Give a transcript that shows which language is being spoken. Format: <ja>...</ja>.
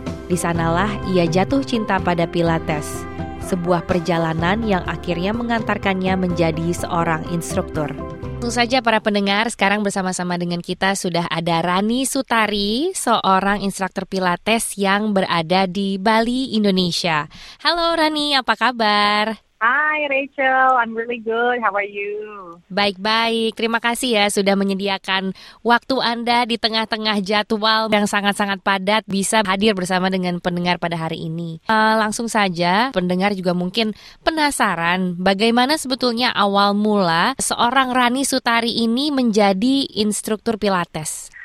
<id>Di sanalah ia jatuh cinta pada Pilates, sebuah perjalanan yang akhirnya mengantarkannya menjadi seorang instruktur. Langsung saja para pendengar, sekarang bersama-sama dengan kita sudah ada Rani Sutari, seorang instruktur Pilates yang berada di Bali, Indonesia. Halo Rani, apa kabar?</id> <en>Hi Rachel, I'm really good. How are you?</en> <id>Baik-baik. Terima kasih ya sudah menyediakan waktu Anda di tengah-tengah jadwal yang sangat-sangat padat bisa hadir bersama dengan pendengar pada hari ini. Langsung saja, pendengar juga mungkin penasaran bagaimana sebetulnya awal mula seorang Rani Sutari ini menjadi instruktur Pilates.</id>